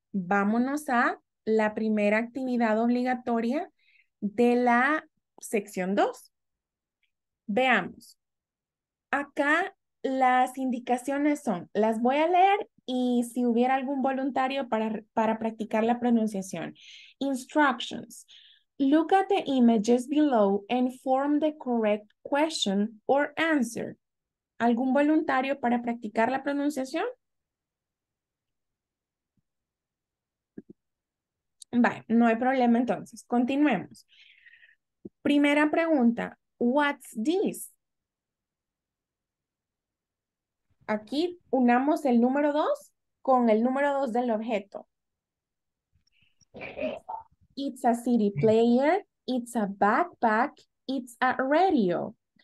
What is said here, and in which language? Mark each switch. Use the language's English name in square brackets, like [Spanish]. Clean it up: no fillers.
[Spanish] Vámonos a la primera actividad obligatoria de la sección 2. Veamos. Acá las indicaciones son, las voy a leer y si hubiera algún voluntario para practicar la pronunciación. [English] Instructions. Look at the images below and form the correct question or answer. [Spanish] ¿Algún voluntario para practicar la pronunciación? Vale, no hay problema entonces. Continuemos. Primera pregunta. [English] What's this? [Spanish] Aquí unamos el número 2 con el número 2 del objeto. [English] It's a CD player, it's a backpack, it's a radio.